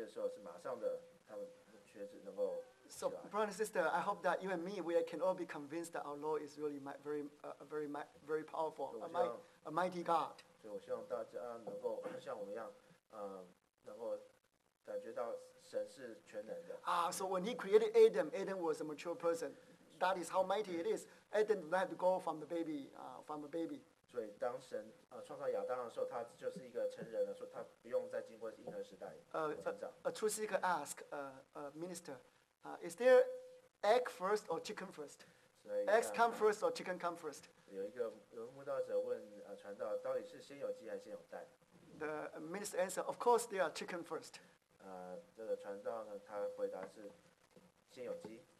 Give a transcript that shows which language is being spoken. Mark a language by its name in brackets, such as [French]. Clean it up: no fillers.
[Chinese] 所以在这里是在预言着弥赛亚的来临。所以当主耶稣行这样神迹的时候，是马上的他们瘸子能够。 [English] So, brother and sister, I hope that you and me, we can all be convinced that our Lord is really very powerful, a mighty God. [Chinese] 所以我希望大家能够像我们一样，能够感觉到神是全能的。 [English] So when he created Adam, Adam was a mature person. That is how mighty it is. Adam didn't have to go from the baby, from a baby. [Chinese] 所以当神创造亚当的时候，他就是一个成人了，说他不用再经过婴儿时代。 [English] A true seeker asked a minister, is there egg first or chicken first? Eggs come first or chicken come first? [Chinese] 有一个慕道者问传道，到底是先有鸡还是先有蛋？ [English] The minister answered, of course there are chicken first. [Chinese] 这个传道呢，他回答是先有鸡。